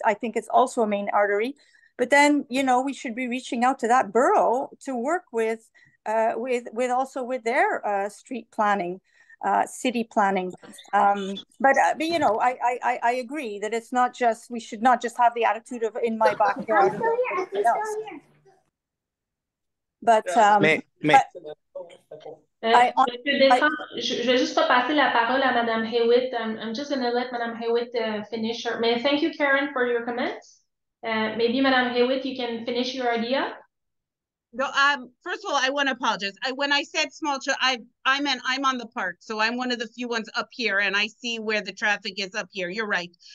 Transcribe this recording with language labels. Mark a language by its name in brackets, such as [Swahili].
[English] I think it's also a main artery. But then, you know, we should be reaching out to that borough to work with their street planning, city planning. But you know, I agree that it's not just, we should not just have the attitude of in my backyard. I'm still here. I'm still here. But, [French] je vais juste passer la parole à Madame Hewitt. [English] I'm just going to let Madame Hewitt finish her. May I thank you, Karen, for your comments. Maybe Madame Hewitt, you can finish your idea. No. First of all, I want to apologize. When I said small children, I'm on the park, so I'm one of the few ones up here, and I see where the traffic is up here. You're right.